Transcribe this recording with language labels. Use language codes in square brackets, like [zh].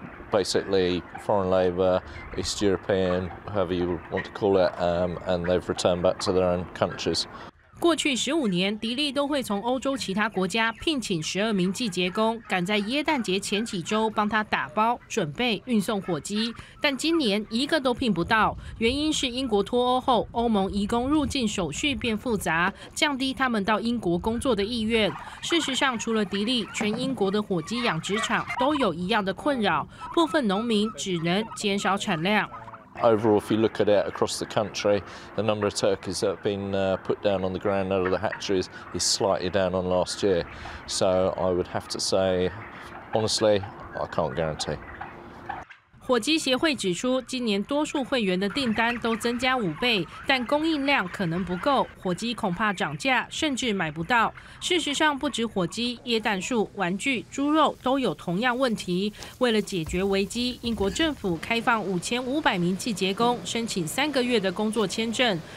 [en] Basically, foreign labour, East European, however you want to call it, and they've returned back to their own countries. [zh] 过去15年，迪利都会从欧洲其他国家聘请12名季节工，赶在耶诞节前几周帮他打包、准备、运送火鸡。但今年一个都聘不到，原因是英国脱欧后，欧盟移工入境手续变复杂，降低他们到英国工作的意愿。事实上，除了迪利，全英国的火鸡养殖场都有一样的困扰，部分农民只能减少产量。 [en] Overall, if you look at it across the country, the number of turkeys that have been put down on the ground out of the hatcheries is slightly down on last year. So I would have to say, honestly, I can't guarantee. [zh] 火鸡协会指出，今年多数会员的订单都增加5倍，但供应量可能不够，火鸡恐怕涨价，甚至买不到。事实上，不止火鸡，椰蛋树、玩具、猪肉都有同样问题。为了解决危机，英国政府开放5500名季节工申请3个月的工作签证。